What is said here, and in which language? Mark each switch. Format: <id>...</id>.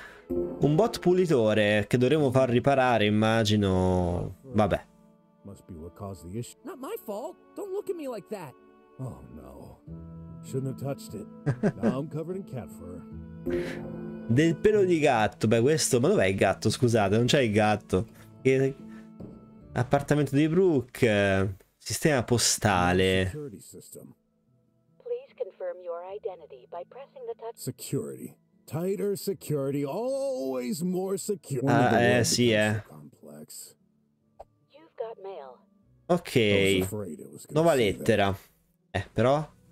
<it>Un bot pulitore che dovremmo far riparare, immagino. Vabbè.</it> <en>Must be what caused the issue. Not my fault. Don't look at me like that. Oh no. Shouldn't have touched it. Now I'm covered in cat fur.</en> <it>Del pelo di gatto. Beh, questo. Ma dov'è il gatto? Scusate, non c'è il gatto. Che... Appartamento di Brooke. Sistema postale.</it> <en>Security system. Please confirm your identity by pressing the touch. Security. Tighter security, always more secure.</en> <it>Ah, sì, complex.</it> <en>You've got mail.</en> <it>Ok. Nuova lettera. Però.</it>